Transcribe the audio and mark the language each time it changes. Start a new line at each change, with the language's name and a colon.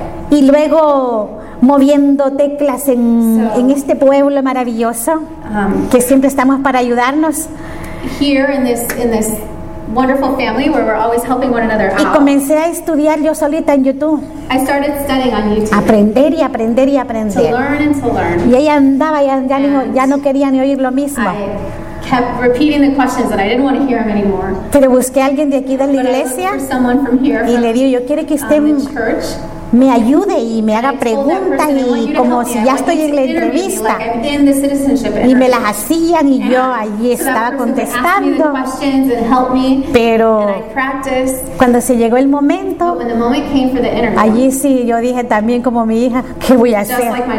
Spanish: Y luego, moviendo teclas en este pueblo maravilloso, que siempre estamos para ayudarnos.
English: Here in this wonderful family where we're always helping one another out.
Spanish: Y comencé a estudiar yo solita en YouTube.
English: I started studying on YouTube.
Spanish: Aprender y aprender y aprender.
English: To learn and to learn.
Spanish: Y ella andaba ya no quería ni oír lo mismo.
English: I kept repeating the questions and I didn't want to hear them anymore.
Spanish: Pero busqué a alguien de aquí de la iglesia.
English: But I looked for someone from here.
Spanish: Y le digo, yo quiero que esté en
English: church.
Spanish: Me ayude y me haga preguntas y como si ya estoy en la entrevista y me las hacían y yo allí estaba contestando, pero cuando se llegó el momento allí sí, yo dije también como mi hija, ¿qué voy a hacer?